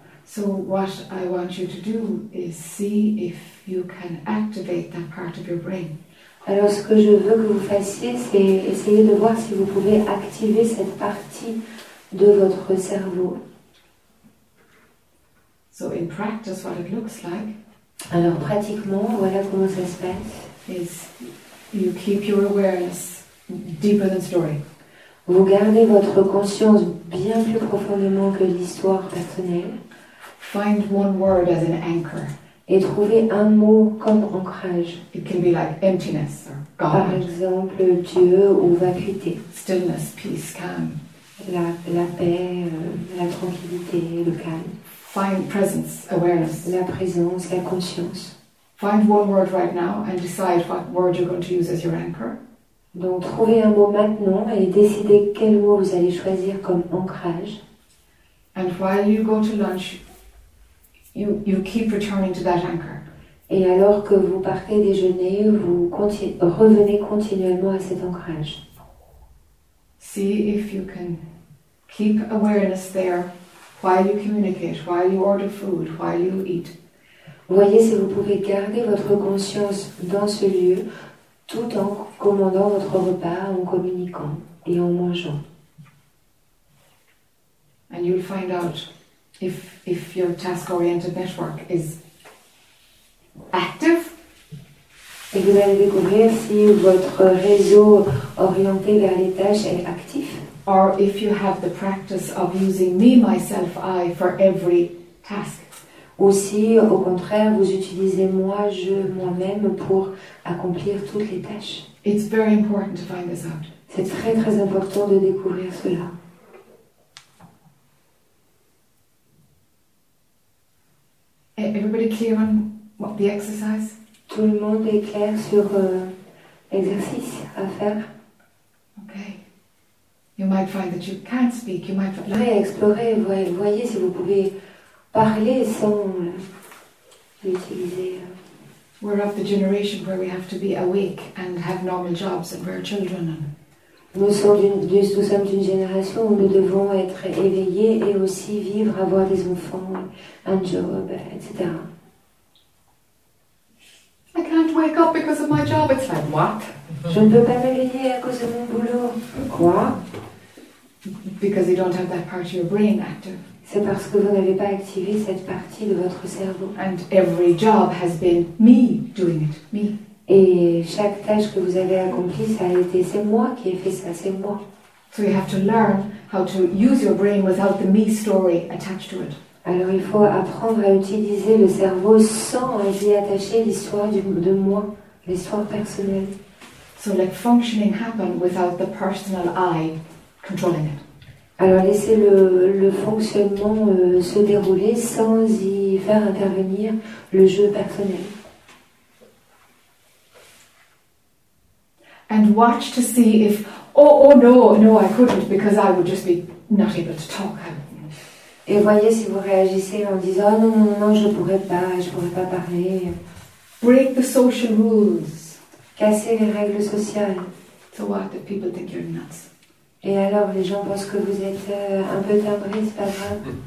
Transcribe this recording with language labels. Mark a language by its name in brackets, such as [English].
[English] So what I want you to do is see if you can activate that part of your brain. [French] Alors ce que je veux que vous fassiez, c'est essayer de voir si vous pouvez activer cette partie de votre cerveau. [English] So in practice, what it looks like, [French] alors pratiquement, voilà comment ça se passe. [English] Is you keep your awareness deeper than story. [French] Vous gardez votre conscience bien plus profondément que l'histoire personnelle. [English] Find one word as an anchor. [French] Et trouvez un mot comme ancrage. [English] It can be like emptiness or God. [French] Par exemple, Dieu ou vacuité. [English] Stillness, peace, calm. [French] La paix, la tranquillité, le calme. [English] Find presence, awareness. [French] La présence, la conscience. [English] Find one word right now and decide what word you're going to use as your anchor. [French] Donc, trouvez un mot maintenant et décidez quel mot vous allez choisir comme ancrage. [English] And while you go to lunch, you keep returning to that anchor. [French] Et alors que vous partez déjeuner, vous revenez continuellement à cet ancrage. [English] See if you can keep awareness there. While you communicate, while you order food, while you eat. [French] Voyez si vous pouvez garder votre conscience dans ce lieu tout en commandant votre repas, en communiquant et en mangeant. [English] And you'll find out if your task-oriented network is active. [French] Et vous allez découvrir si votre réseau orienté vers les tâches est actif. [English] Or if you have the practice of using me, myself, I for every task. [French] Ou si, au contraire, vous utilisez moi, je, moi-même pour accomplir toutes les tâches. [English] It's very important to find this out. [French] C'est très très important de découvrir cela. [English] Everybody clear on what the exercise? [French] Tout le monde est clair sur l'exercice à faire? [English] Okay. You might find that you can't speak. You might like. [French] Explorez, voyez si vous pouvez parler sans l'utiliser. [English] We're of the generation where we have to be awake and have normal jobs and wear children. [French] Nous sommes d'une génération où nous devons être éveillés et aussi vivre, avoir des enfants, un job, etc. [English] I can't wake up because of my job. It's like, what? [French] Je ne peux pas m'éveiller à cause de mon boulot. Quoi? [English] Because you don't have that part of your brain active. [French] C'est parce que vous n'avez pas activé cette partie de votre cerveau. [English] And every job has been me doing it. Me. [French] Et chaque tâche que vous avez accomplie, ça a été c'est moi qui ai fait ça, c'est moi. [English] So you have to learn how to use your brain without the me story attached to it. [French] Alors il faut apprendre à utiliser le cerveau sans y attacher l'histoire de moi, l'histoire personnelle. [English] So let functioning happen without the personal I controlling it. [French] Alors laissez le fonctionnement se dérouler sans y faire intervenir le jeu personnel. [English] And watch to see if oh no I couldn't because I would just be not able to talk. [French] Et voyez si vous réagissez en disant oh, non je pourrais pas parler. [English] Break the social rules. [French] Cassez les règles sociales. [English] So what the people think you're nuts. [French] Et alors les gens pensent que vous êtes un peu timbré, c'est pas vrai?